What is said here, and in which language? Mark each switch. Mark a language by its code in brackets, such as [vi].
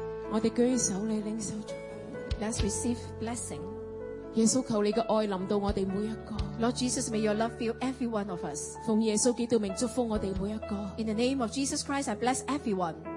[yue] 我哋举起手嚟领受祝福。 [en] Let's receive blessing. [yue] 耶稣，求你嘅爱临到我哋每一个。 [en] Lord Jesus, may your love fill every one of us. [yue] 奉耶稣基督名祝福我哋每一个。 [en] In the name of Jesus Christ, I bless everyone.